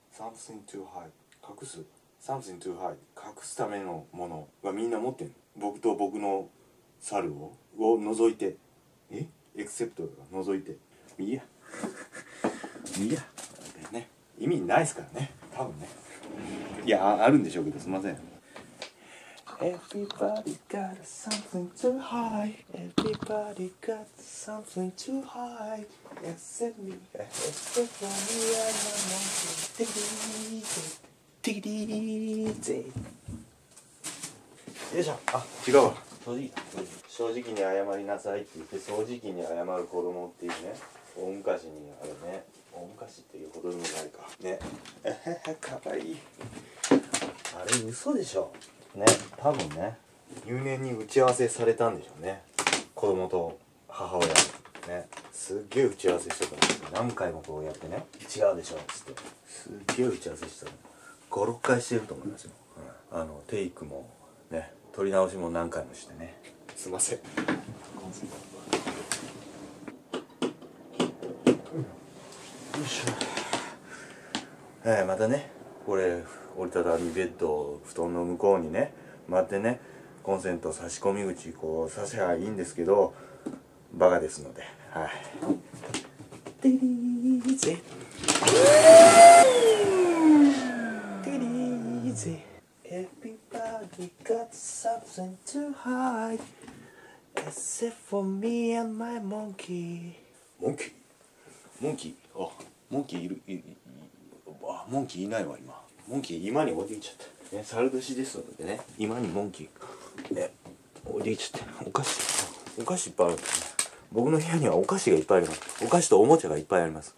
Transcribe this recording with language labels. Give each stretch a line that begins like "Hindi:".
English: Something to hide
Japanese: 隠す、 Something to hide 隠すためのものがみんな持ってんの。僕と僕の猿 を覗いて、え、 Except が覗いて、いやいやで、ね、意味ないですからね多分ね。いや、あるんでしょうけど、すいません。
English: Everybody got something to hide Everybody got something to hideExcept me, except for me and my monkey. Take it easy, take it easy.
Japanese: よいしょ。あ、違うわ。掃除機。正直に謝りなさいって言って、掃除機に謝る子供っていうね、大昔にあるね、大昔っていうことでもないか。ね。えへへ、かわいい。あれ嘘でしょ。ね、多分ね、入念に打ち合わせされたんでしょうね。子供と母親。ね、すっげえ打ち合わせしてたんですよ。何回もこうやってね、違うでしょっつって、すっげえ打ち合わせしてた。 5、6回してると思いますよ、うん、あのテイクもね、撮り直しも何回もしてね。すいません。よいしょ。またね、これ折りたたみベッド、布団の向こうにね、待ってね、コンセント差し込み口こうさせばいいんですけど、バカですので、はい。
English: テキリーゼ、テキリーゼ、Everybody got something to hide Except for me and my monkey。
Japanese: モンキー、モンキー、あ、モンキーいる、あ、モンキーいないわ、今モンキー、今に置いてきちゃった。ね、猿年ですのでね、今にモンキー、ね、置いてきちゃった。お菓子、お菓子いっぱいあるんだね。僕の部屋にはお菓子がいっぱいあります。お菓子とおもちゃがいっぱいあります。